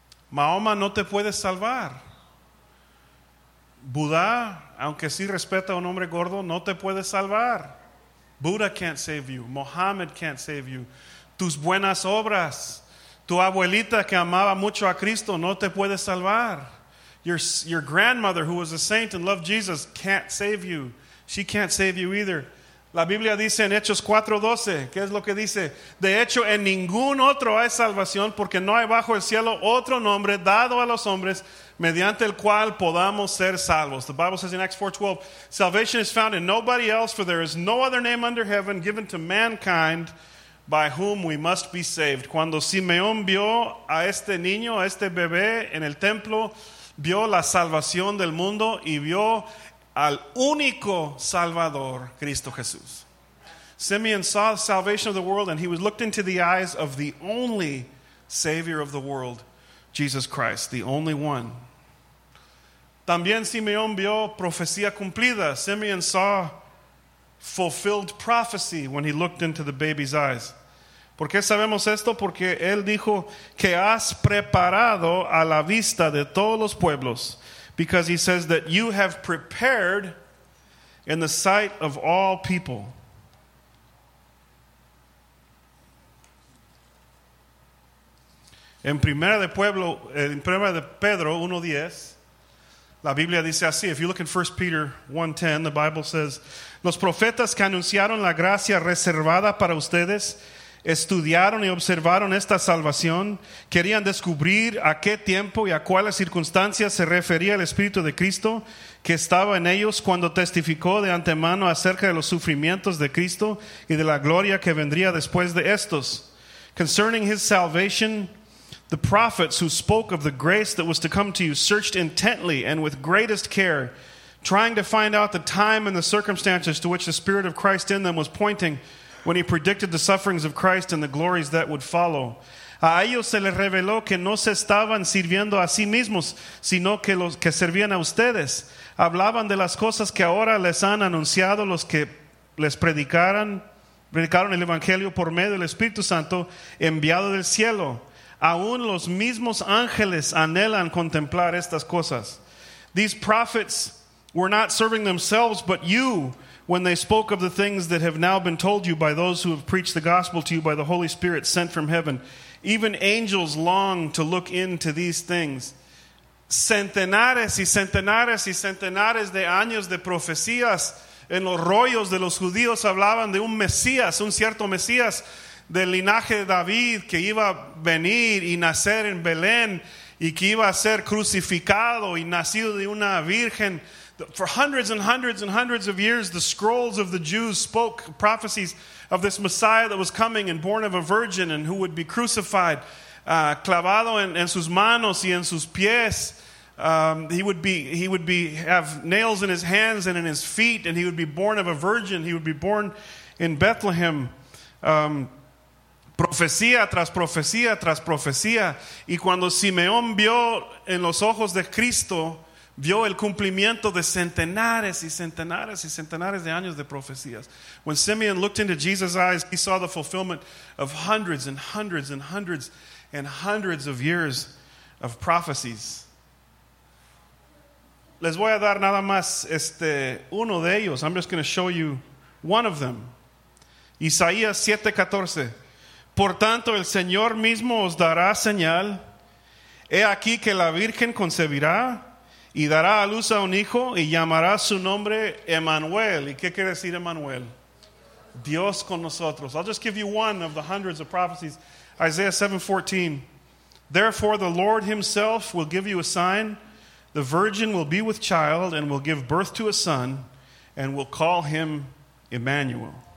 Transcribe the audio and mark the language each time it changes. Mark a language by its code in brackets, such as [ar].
[es] Mahoma no te puede salvar. Buda, aunque sí respeta a un hombre gordo, no te puede salvar. [en] Buddha can't save you. Muhammad can't save you. [es] Tus buenas obras. Tu abuelita que amaba mucho a Cristo no te puede salvar. [en] Your grandmother who was a saint and loved Jesus can't save you. She can't save you either. [es] La Biblia dice en Hechos 4:12, ¿qué es lo que dice? De hecho, en ningún otro hay salvación, porque no hay bajo el cielo otro nombre dado a los hombres mediante el cual podamos ser salvos. [en] The Bible says in Acts 4:12, salvation is found in nobody else, for there is no other name under heaven given to mankind by whom we must be saved. [es] Cuando Simeón vio a este niño, a este bebé en el templo, vio la salvación del mundo y vio al único Salvador, Cristo Jesús. [en] Simeon saw the salvation of the world and he was looked into the eyes of the only Savior of the world, Jesus Christ, the only one. [es] También Simeón vio profecía cumplida. [en] Simeon saw fulfilled prophecy when he looked into the baby's eyes. [es] ¿Por qué sabemos esto? Porque él dijo que has preparado a la vista de todos los pueblos. [en] Because he says that you have prepared in the sight of all people. [es] En Primera de Pedro 1:10, la Biblia dice así. [en] If you look in 1 Peter 1:10, the Bible says, [es] los profetas que anunciaron la gracia reservada para ustedes estudiaron y observaron esta salvación, querían descubrir a qué tiempo y a cuáles circunstancias se refería el Espíritu de Cristo que estaba en ellos cuando testificó de antemano acerca de los sufrimientos de Cristo y de la gloria que vendría después de estos. [en] Concerning his salvation, the prophets who spoke of the grace that was to come to you searched intently and with greatest care, trying to find out the time and the circumstances to which the Spirit of Christ in them was pointing when he predicted the sufferings of Christ and the glories that would follow. [es] A ellos se les reveló que no se estaban sirviendo a sí mismos, sino que los que servían a ustedes. Hablaban de las cosas que ahora les han anunciado los que les predicaron el Evangelio por medio del Espíritu Santo enviado del cielo. Aún los mismos ángeles anhelan contemplar estas cosas. [en] These prophets were not serving themselves, but you, when they spoke of the things that have now been told you by those who have preached the gospel to you by the Holy Spirit sent from heaven. Even angels long to look into these things. [es] Centenares y centenares y centenares de años de profecías en los rollos de los judíos hablaban de un Mesías, un cierto Mesías del linaje de David que iba a venir y nacer en Belén y que iba a ser crucificado y nacido de una virgen. [en] For hundreds and hundreds and hundreds of years, the scrolls of the Jews spoke prophecies of this Messiah that was coming and born of a virgin and who would be crucified, [es] clavado en sus manos y en sus pies. [en] He would have nails in his hands and in his feet, and he would be born of a virgin. He would be born in Bethlehem. [es] Profecía tras profecía tras profecía. Y cuando Simeón vio en los ojos de Cristo, vio el cumplimiento de centenares y centenares y centenares de años de profecías. [en] When Simeon looked into Jesus' eyes, he saw the fulfillment of hundreds and hundreds and hundreds and hundreds of years of prophecies. [es] Les voy a dar nada más uno de ellos. [en] I'm just going to show you one of them. [es] Isaías 7:14. Por tanto, el Señor mismo os dará señal. He aquí que la Virgen concebirá y dará a luz a un hijo y llamará su nombre Emmanuel. ¿Y qué quiere decir Emmanuel? Dios con nosotros. [en] I'll just give you one of the hundreds of prophecies. Isaiah 7:14. Therefore, the Lord himself will give you a sign. The virgin will be with child and will give birth to a son and will call him Emmanuel.